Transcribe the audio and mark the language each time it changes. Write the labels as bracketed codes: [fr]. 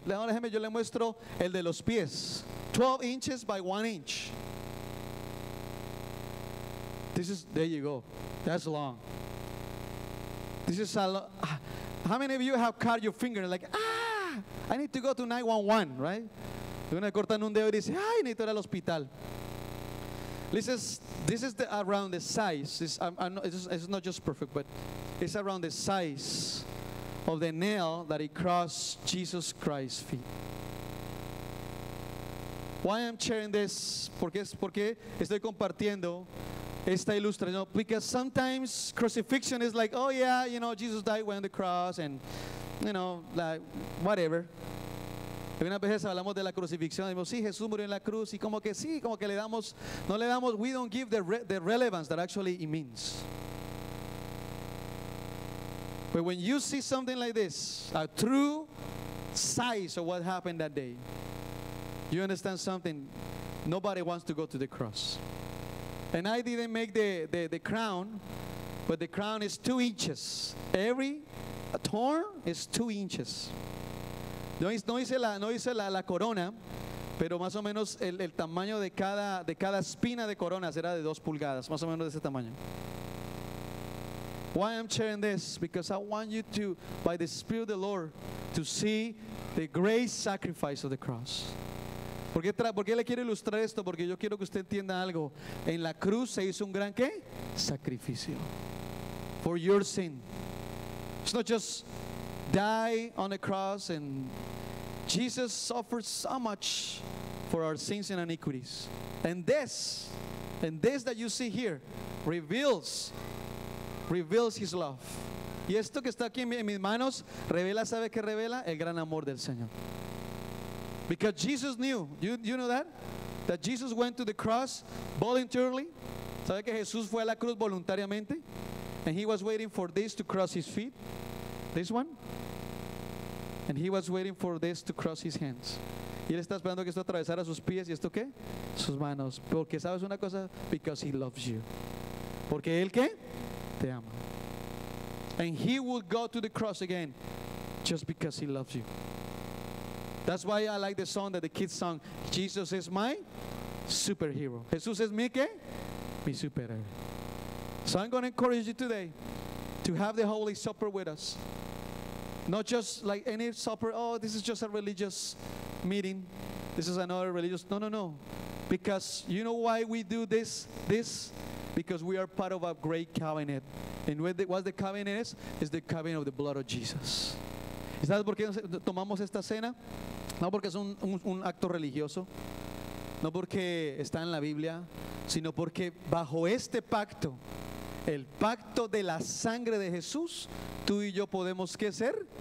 [es] Déjame, yo le muestro el de los pies. [en] 12 inches by 1 inch. This is, there you go. That's long. This is a long. How many of you have cut your finger? Like, I need to go to 911, right? [es] Una cortan un dedo y dice, ay, necesito ir al hospital. [en] This is the, around the size. It's not just perfect, but it's around the size of the nail that it crossed Jesus Christ's feet. Why I'm sharing this? [es] Porque estoy compartiendo esta ilustración, [en] you know, because sometimes crucifixion is like, oh yeah, you know, Jesus died, went on the cross, and you know, like whatever. [es] Una vez hablamos de la crucifixión, decimos sí, Jesús murió en la cruz, y como que sí, como que le damos, no le damos, [en] we don't give the relevance that actually it means. But when you see something like this, a true size of what happened that day, you understand something. Nobody wants to go to the cross. And I didn't make the crown, but the crown is 2 inches. Every thorn is 2 inches. [es] No hice la corona, pero más o menos el tamaño de cada espina de corona será de 2 pulgadas, más o menos de ese tamaño. [en] Why I'm sharing this? Because I want you to, by the Spirit of the Lord, to see the great sacrifice of the cross. [es] ¿Por qué le quiero ilustrar esto? Porque yo quiero que usted entienda algo. En la cruz se hizo un gran ¿qué? [en] Sacrificio. For your sin. It's not just die on the cross and Jesus suffered so much for our sins and iniquities. And this that you see here reveals his love. [es] Y esto que está aquí en mis manos revela, ¿sabe qué revela? El gran amor del Señor. [en] Because Jesus knew, you know that? That Jesus went to the cross voluntarily. [es] ¿Sabe que Jesús fue a la cruz voluntariamente? [en] And he was waiting for this to cross his feet. This one. And he was waiting for this to cross his hands. [es] Y él está esperando que esto atravesara sus pies. ¿Y esto qué? Sus manos. Porque sabes una cosa, [en] because he loves you. [es] Porque él ¿qué? Te ama. [en] And he would go to the cross again just because he loves you. That's why I like the song that the kids sung. Jesus is my superhero. [es] Jesús es mi ¿qué? Mi superhéroe. [en] So I'm going to encourage you today to have the Holy Supper with us. Not just like any supper, oh, this is just a religious meeting. This is another religious, no. Because you know why we do this? Because we are part of a great covenant. And what the covenant is? It's the covenant of the blood of Jesus. [es] ¿Sabes por qué tomamos esta cena? No porque es un acto religioso, no porque está en la Biblia, sino porque bajo este pacto, el pacto de la sangre de Jesús, tú y yo podemos ¿qué ser?